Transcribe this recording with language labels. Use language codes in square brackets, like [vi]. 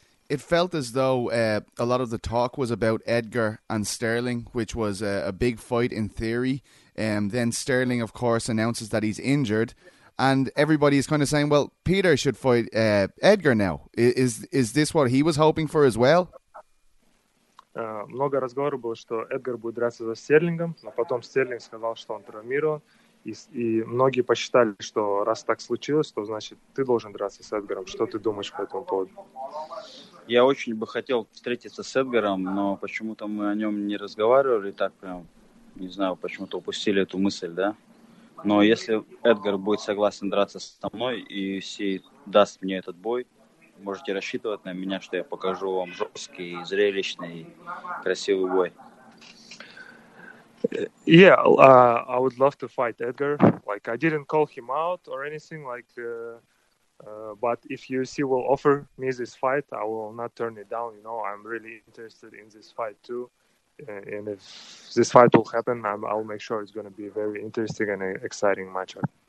[en] It felt as though a lot of the talk was about Edgar and Sterling, which was a big fight in theory, and then Sterling, of course, announces that he's injured, and everybody is kind of saying, well, Peter should fight Edgar now. Is this what he was hoping for as well? [ru] Много разговоров было, что Эдгар будет драться за Стерлингом, но потом Стерлинг сказал, что он травмирован, и многие посчитали, что раз так случилось, то значит ты должен драться с Эдгаром. Что ты думаешь по этому поводу? Я очень бы хотел встретиться с Эдгаром, но почему-то мы о нем не разговаривали, так прям, не знаю, почему-то упустили эту мысль, да? Но если Эдгар будет согласен драться со мной и Сей даст мне этот бой, можете рассчитывать на меня, что я покажу вам жесткий, зрелищный, красивый бой. [en] Yeah, I would love to fight Edgar. Like, I didn't call him out or anything, like, but if UFC will offer me this fight, I will not turn it down, you know. I'm really interested in this fight too. And if this fight will happen, I'll make sure it's going to be a very interesting and exciting matchup.